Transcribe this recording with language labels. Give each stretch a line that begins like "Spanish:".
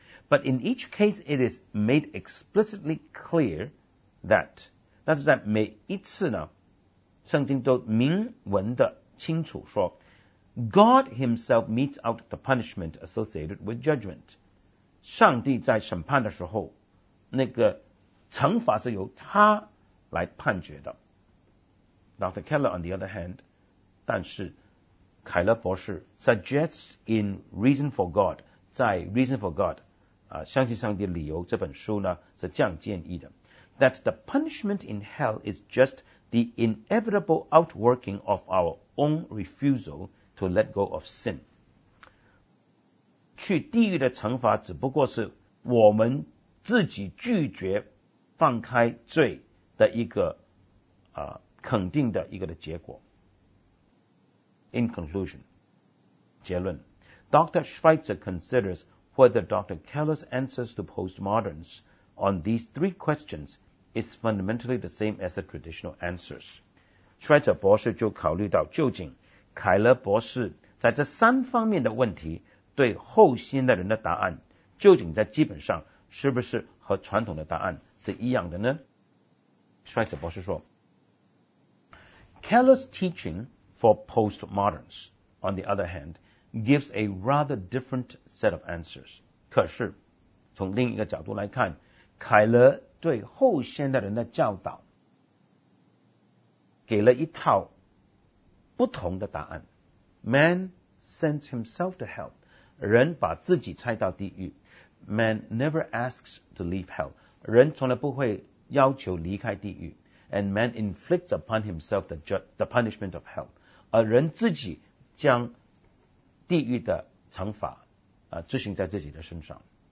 English: But in each case, it is made explicitly clear that,
Chinese: 但是在每一次呢，圣经都明文的清楚说，
English: God himself meets out the punishment associated with judgment.
Chinese: 上帝在审判的时候，那个惩罚是由他来判决的。
English: Dr. Keller, on the other hand,
Chinese: 但是凯勒博士
English: suggests in Reason for God,
Chinese: 在 Reason for God,相信上帝的理由这本书呢是这样建议的，
English: That the punishment in hell is just the inevitable outworking of our own refusal to let go of sin.
Chinese: 去地狱的惩罚只不过是我们自己拒绝放开罪的一个肯定的一个的结果。
English: In conclusion,
Chinese: 结论，
English: Dr. Schweitzer considersWhether Dr. Keller's answers to postmoderns on these three questions is fundamentally the same as the traditional answers.
Chinese: Schweitzer 博士就考虑到究竟凯勒博士在这三方面的问题对后现代人的答案究竟在基本上是不是和传统的答案是一样的呢？ Schweitzer 博士说，
English: Keller's teaching for postmoderns, on the other hand,gives a rather different set of answers.
Chinese: 可是从另一个角度来看，凯勒对后现代人的教导给了一套不同的答案。
English: Man sends himself to hell.
Chinese: 人把自己拆到地狱。
English: Man never asks to leave hell.
Chinese: 人从来不会要求离开地狱。
English: And man inflicts upon himself the punishment of hell.
Chinese: 而人自己将地狱的惩罚执行在自己的身上。